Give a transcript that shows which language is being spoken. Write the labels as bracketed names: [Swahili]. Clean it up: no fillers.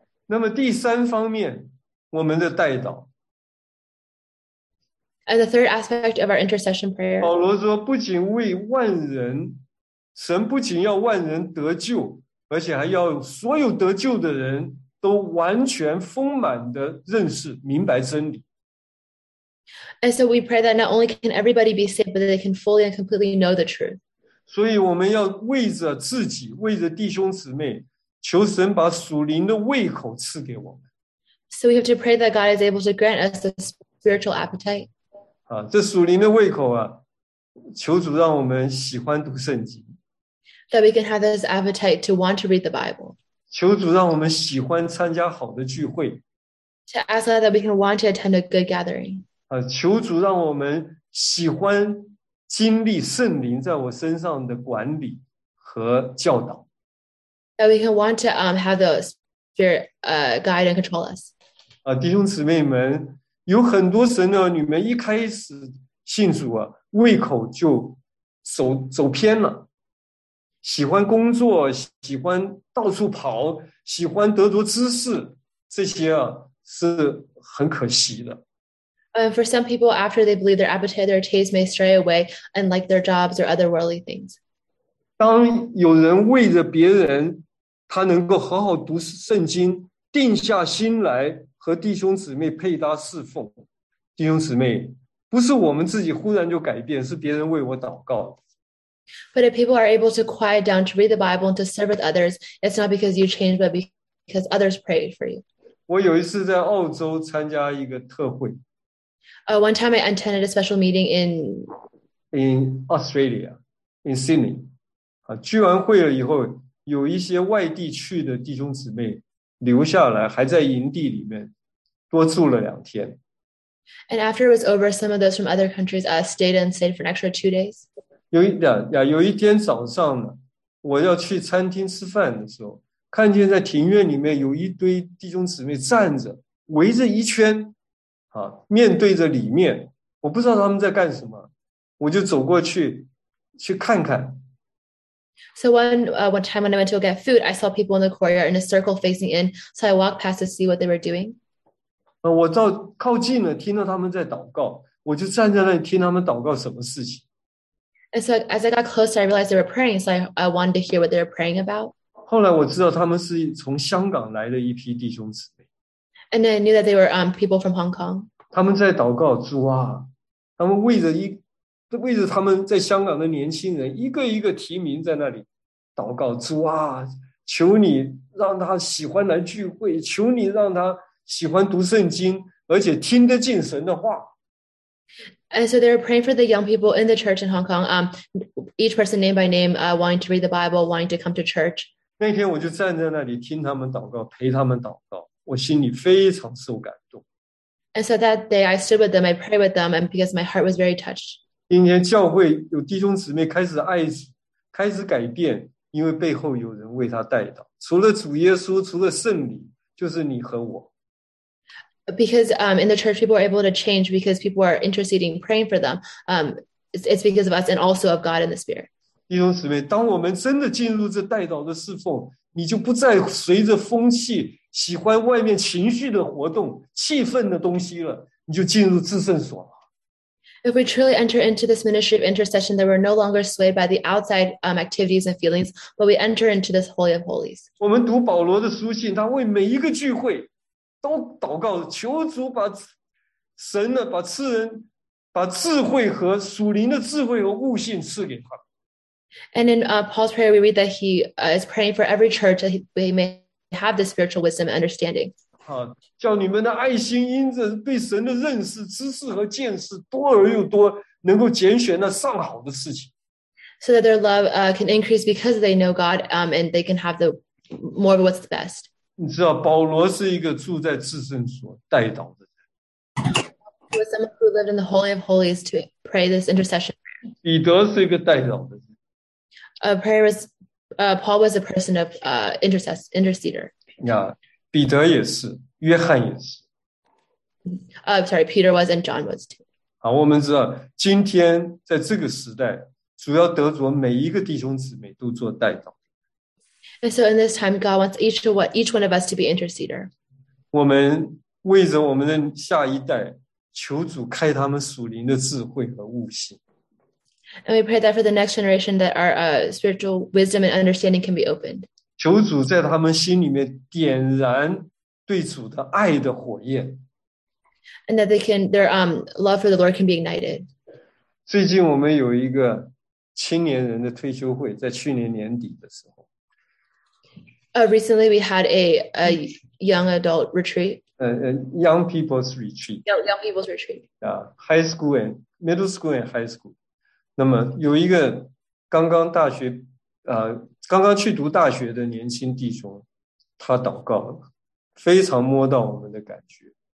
[Chinese] 那么第三方面，我们的代祷。 [English] And the third aspect of our intercession prayer. [Chinese] 保罗说，不仅为万人，神不仅要万人得救，而且还要所有得救的人都完全丰满的认识明白真理。 [English] And so we pray that not only can everybody be saved, but they can fully and completely know the truth. [Chinese] 所以我们要为着自己，为着弟兄姊妹，求神把属灵的胃口赐给我们。 [English] So we have to pray that God is able to grant us the spiritual appetite. [Chinese] 啊，这属灵的胃口啊，求主让我们喜欢读圣经。 [English] That we can have this appetite to want to read the Bible. [Chinese] 求主让我们喜欢参加好的聚会。 [English] To ask that we can want to attend a good gathering. [Chinese] 啊，求主让我们喜欢经历圣灵在我身上的管理和教导。 [English] That we can want to have the Spirit guide and control us. [Chinese] 啊，弟兄姊妹们，有很多神的儿女们一开始信主啊，胃口就走偏了。喜欢工作，喜欢到处跑，喜欢得着知识，这些啊是很可惜的。 [English] For some people, after they believe, their appetite, their taste may stray away and like their jobs or other worldly things. [Chinese] 当有人为着别人，他能够好好读圣经，定下心来和弟兄姊妹配搭侍奉，弟兄姊妹，不是我们自己忽然就改变，是别人为我祷告。 [English] But if people are able to quiet down to read the Bible and to serve with others, it's not because you changed, but because others prayed for you. [Chinese] 我有一次在澳洲参加一个特会。 [English] One time I attended a special meeting in Australia, in Sydney. [Chinese] 啊，聚完会了以后，有一些外地去的弟兄姊妹留下来，还在营地里面多住了两天。 [English] And after it was over, some of those from other countries stayed for an extra 2 days. [Chinese] 有一天早上呢，我要去餐厅吃饭的时候，看见在庭院里面有一堆弟兄姊妹站着，围着一圈，啊，面对着里面，我不知道他们在干什么，我就走过去看看。 [English] So one time when I went to go get food, I saw people in the courtyard in a circle facing in. So I walked past to see what they were doing. [Chinese] 我到靠近了，听到他们在祷告，我就站在那里听他们祷告什么事情。 [English] And so as I got closer, I realized they were praying. So I wanted to hear what they were praying about. [Chinese] 后来我知道他们是从香港来的一批弟兄姊妹。 [English] And then I knew that they were people from Hong Kong. [Chinese] 他们在祷告主啊，他们为着他们在香港的年轻人一个一个提名在那里祷告，主啊，求你让他喜欢来聚会，求你让他喜欢读圣经，而且听得进神的话。 [English] And so they were praying for the young people in the church in Hong Kong, each person name by name, wanting to read the Bible, wanting to come to church. [Chinese] 那天我就站在那里听他们祷告，陪他们祷告，我心里非常受感动。 [English] And so that day I stood with them, I prayed with them, and because my heart was very touched. [Chinese] 今天教会有弟兄姊妹开始爱主，开始改变，因为背后有人为他代祷。除了主耶稣，除了圣灵，就是你和我。 [English] Because in the church people are able to change because people are interceding, praying for them. It's because of us and also of God in the Spirit. [Chinese] 弟兄姊妹，当我们真的进入这代祷的侍奉，你就不再随着风气，喜欢外面情绪的活动、气氛的东西了，你就进入至圣所了。 [English] If we truly enter into this ministry of intercession, then we're no longer swayed by the outside activities and feelings, but we enter into this Holy of Holies. [Chinese] 我们读保罗的书信，他为每一个聚会都祷告，求主把神的把赐人把智慧和属灵的智慧和悟性赐给他。 [English] And in Paul's prayer, we read that he is praying for every church that they may have the spiritual wisdom and understanding. [Chinese] 叫你们的爱心因着对神的认识、知识和见识多而又多，能够拣选那上好的事情。 [English] So that their love can increase because they know God, and they can have the more of what's the best. [Chinese] 你知道保罗是一个住在至圣所代祷的人。 [English] He was someone who lived in the Holy of Holies to pray this intercession. [Chinese] 彼得是一个代祷的人。 [English] Paul was a person of interceder. [Chinese] Yeah. 彼得也是，约翰也是。 [English] Peter was and John was too. [Chinese] 好，我们知道，今天在这个时代，主要得着每一个弟兄姊妹都做代祷。 [English] And so in this time, God wants each one of us to be interceder. [Chinese] 我们为着我们的下一代，求主开他们属灵的智慧和悟性。 [English] And we pray that for the next generation that our spiritual wisdom and understanding can be opened. [Chinese] 求主在他们心里面点燃对主的爱的火焰。 [English] And that they can, their love for the Lord can be ignited. [Chinese] 最近我们有一个青年人的退休会，在去年年底的时候。 [English] Recently, we had a young adult retreat. Young people's retreat. Young people's retreat. Yeah, high school and middle school and high school. [Chinese] 那么有一个刚刚大学，刚刚去读大学的年轻弟兄，他祷告了，非常摸到我们的感觉。